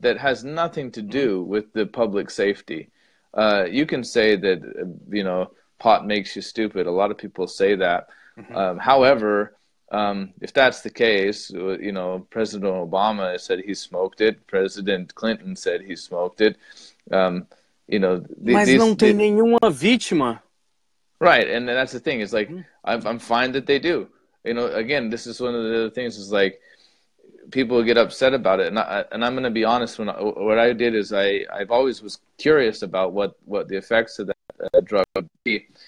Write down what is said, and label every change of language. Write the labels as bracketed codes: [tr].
[en] That has nothing to do with the public safety. You can say that, you know, pot makes you stupid. A lot of people say that. However, if that's the case, you know, President Obama said he smoked it. President Clinton said he smoked it. [pt] Mas não tem nenhuma vítima. [en] Right, and that's the thing. It's like, I'm fine that they do. You know, again, this is one of the other things. Is like, people get upset about it. And I'm going to be honest. What I did is I've always was curious about what the effects of that drug would be.